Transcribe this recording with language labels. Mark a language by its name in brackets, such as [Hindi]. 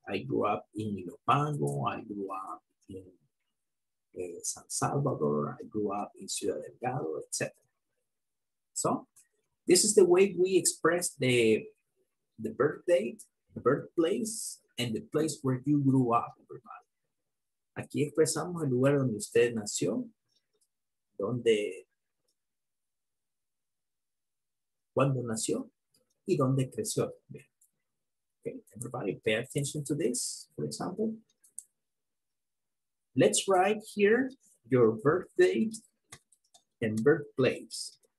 [English] I grew up in Ilopango. I grew up in San Salvador. I grew up in Ciudad Delgado, etc. So this is the way we express the birth date, the birthplace, and the place where you grew up, everybody. [Spanish] Aquí expresamos el lugar donde usted nació, donde, cuando nació, y donde creció. [English] Okay, everybody pay attention to this, for example. Let's write here your birth date and birthplace.